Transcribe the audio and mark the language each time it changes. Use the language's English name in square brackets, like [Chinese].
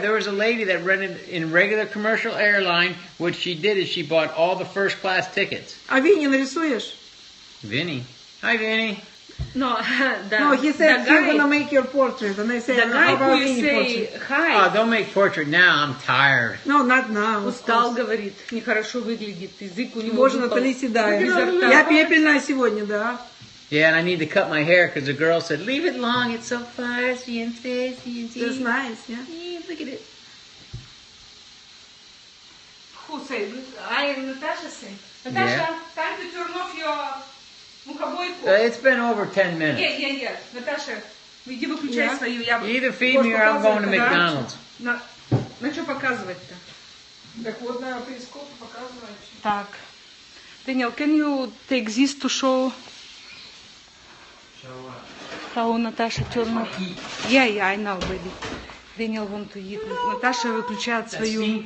[English] There was a lady that rented in regular commercial airline. What she did is she bought all the first class tickets. [Russian] А Винни нарисуешь? [English] Винни. Hi, Винни. No, he said he's gonna make your portrait, and I said, the guy how about who you say portrait? Hi. Don't make portrait now. I'm tired. No, not now. [Russian] Устал говорит, нехорошо выглядит, язык у него. Боже, Наталья седая. Я пепельная сегодня, да? [English] Yeah, and I need to cut my hair because the girl said, leave it long. It's so fuzzy and fizzy and fizzy. That's nice, yeah. Look at it. Who said? I and Natasha said. Natasha, time to turn off your. It's been over 10 minutes. Yeah. Natasha, we give a yeah. Either feed me or I'm going to McDonald's. [Russian] На что показывать-то? Так вот на перископ показывать. [English] Так. Daniel, can you take this to show? Show what? How Natasha turn off? Yeah, I know, baby. Daniel want to eat. No. [Russian] Natasha выключает свою.